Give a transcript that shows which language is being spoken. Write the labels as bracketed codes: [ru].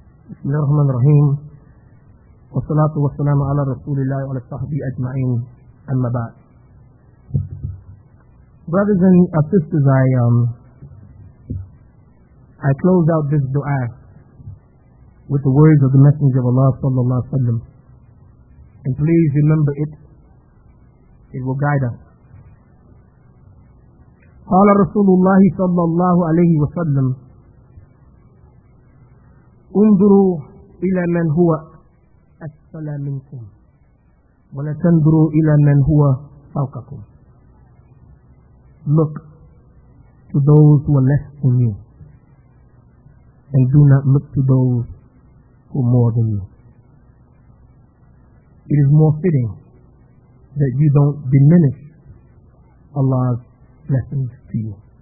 [ar] بسم الله الرحمن الرحيم والصلاة والسلام على رسول الله وعلى صحبه أجمعين أما بعد. [en] Brothers and sisters, I close out this dua with the words of the Messenger of Allah صلى الله عليه وسلم, and please remember it. It will guide us. [ar] قال رسول الله صلى الله عليه وسلم انظروا إلى من هو أسفل منكم ولا تنظروا إلى من هو فوقكم. [en] Look to those who are less than you and do not look to those who are more than you. It is more fitting that you don't diminish Allah's blessings to you.